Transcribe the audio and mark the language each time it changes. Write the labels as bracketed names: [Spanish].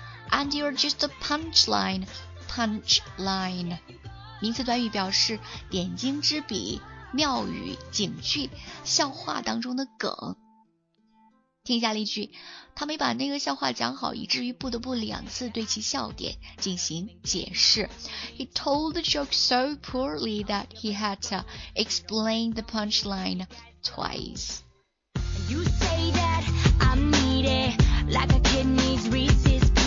[English] And you're just a punchline, punchline. [Chinese] 名词短语表示点睛之笔、妙语、警句、笑话当中的梗。听下例句，他没把那个笑话讲好，以至于不得不两次对其笑点进行解释。 [English] He told the joke so poorly that he had to explain the punchline twice. You say that I need it like a kid needs Reese's.